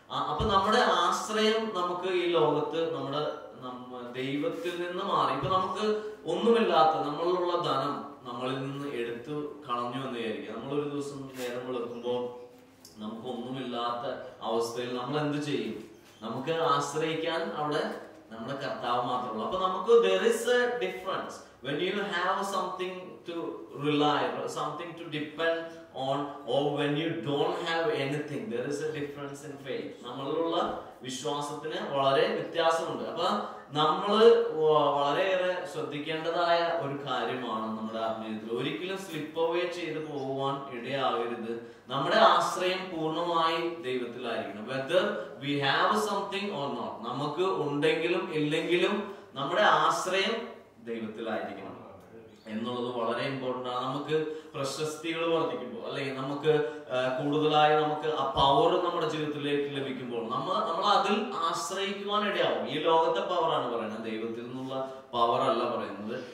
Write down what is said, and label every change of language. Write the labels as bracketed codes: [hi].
[ml] അപ്പൊ നമ്മുടെ ആശ്രയം നമുക്ക് ഈ ലോകത്ത് നമ്മുടെ ദൈവത്തിൽ നിന്ന് മാറി. ഇപ്പൊ നമുക്ക് ഒന്നുമില്ലാത്ത നമ്മളിലുള്ള ധനം നമ്മളിൽ നിന്ന് എടുത്തു കളഞ്ഞു എന്നായിരിക്കും. നമ്മളൊരു ദിവസം നേരം വെളുക്കുമ്പോൾ നമുക്ക് ഒന്നുമില്ലാത്ത അവസ്ഥയിൽ നമ്മൾ എന്ത് ചെയ്യും? നമുക്ക് ആശ്രയിക്കാൻ അവിടെ നമ്മുടെ കർത്താവ് മാത്രമുള്ളൂ. അപ്പൊ നമുക്ക് [en] there is a difference. When you have something to rely or something to depend on, or when you don't have anything, there is a difference in faith. [ml] നമ്മളിലുള്ള വിശ്വാസത്തിന് വളരെ വ്യത്യാസമുണ്ട്. അപ്പൊ നമ്മൾ വളരെയേറെ ശ്രദ്ധിക്കേണ്ടതായ ഒരു കാര്യമാണ് നമ്മുടെ ആത്മീയത്തിൽ. ഒരിക്കലും സ്ലിപ്പ് അവേ ചെയ്ത് പോകുവാൻ ഇടയാകരുത്. നമ്മുടെ ആശ്രയം പൂർണ്ണമായി ദൈവത്തിലായിരിക്കണം. [en] Whether we have something or not, [ml] നമുക്ക് ഉണ്ടെങ്കിലും ഇല്ലെങ്കിലും നമ്മുടെ ആശ്രയം ദൈവത്തിലായിരിക്കണം എന്നുള്ളത് വളരെ ഇമ്പോർട്ടൻ്റ് ആണ്. നമുക്ക് പ്രശസ്തികൾ വർദ്ധിക്കുമ്പോൾ അല്ലെങ്കിൽ നമുക്ക് കൂടുതലായി നമുക്ക് ആ പവർ നമ്മുടെ ജീവിതത്തിലേക്ക് ലഭിക്കുമ്പോൾ നമ്മൾ അതിൽ ആശ്രയിക്കുവാൻ ഇടയാവും. ഈ ലോകത്തെ പവറാണ് പറയുന്നത്, ദൈവത്തിൽ നിന്നുള്ള പവർ അല്ല പറയുന്നത്.